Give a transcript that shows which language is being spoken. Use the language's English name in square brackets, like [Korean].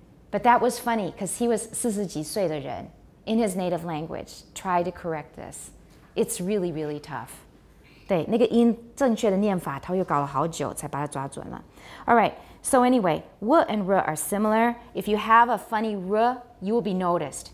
[English] But that was funny, because he was [Chinese] 四十几岁的人, [English] in his native language, tried to correct this. It's really, really tough. [Chinese] 对，那个音正确的念法，他又搞了好久才把它抓准了。 [English] All right, so anyway, w and r are similar. If you have a funny r, you will be noticed.